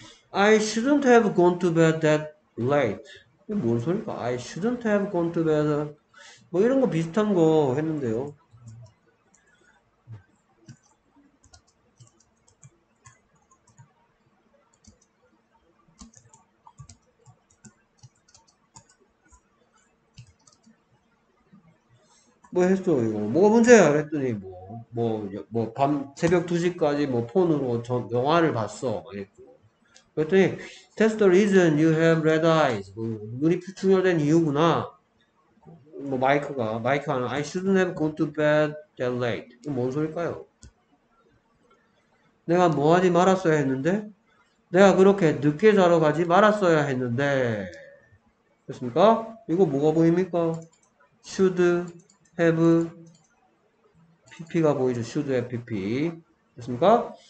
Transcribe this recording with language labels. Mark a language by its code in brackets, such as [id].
[en] I shouldn't have gone to bed that late. [ko] 이게 뭔 소리일까? [en] I shouldn't have gone to bed. [ko] 뭐 이런 거 비슷한 거 했는데요. 뭐 했어, 이거. 뭐가 문제야? 그랬더니 뭐, 밤, 새벽 2시까지 뭐 폰으로 영화를 봤어. 그랬더니, [en] that's the reason you have red eyes. [ko] 눈이 피충혈된 이유구나. 뭐, 마이크가, [en] I shouldn't have gone to bed that late. [ko] 뭔 소리일까요? 내가 뭐 하지 말았어야 했는데? 내가 그렇게 늦게 자러 가지 말았어야 했는데. 됐습니까? 이거 뭐가 보입니까? should have pp가 보이죠? [en] should have pp. [ko] 됐습니까?